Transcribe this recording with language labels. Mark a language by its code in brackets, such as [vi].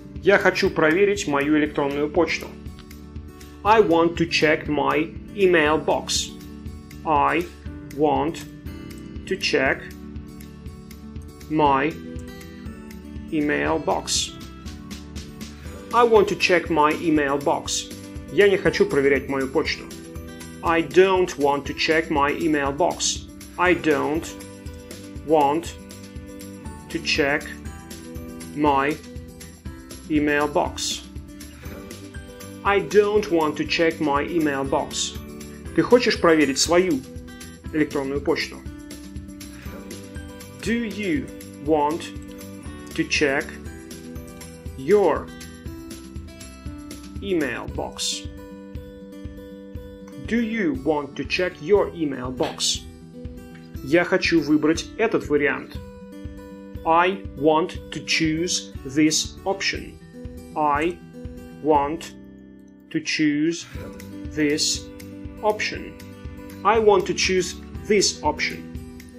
[ru] Я хочу проверить мою электронную почту. [en] I want to check my email box. I want to check my email box. I want to check my email box. [ru] Я не хочу проверять мою почту. [en] I don't want to check my email box. I don't want to check my email box. I don't want to check my email box. [ru] Ты хочешь проверить свою электронную почту? [en] Do you want to check your email box? Do you want to check your email box? [ru] Я хочу выбрать этот вариант. [en] I want to choose this option. I want to choose this option. I want to choose this option.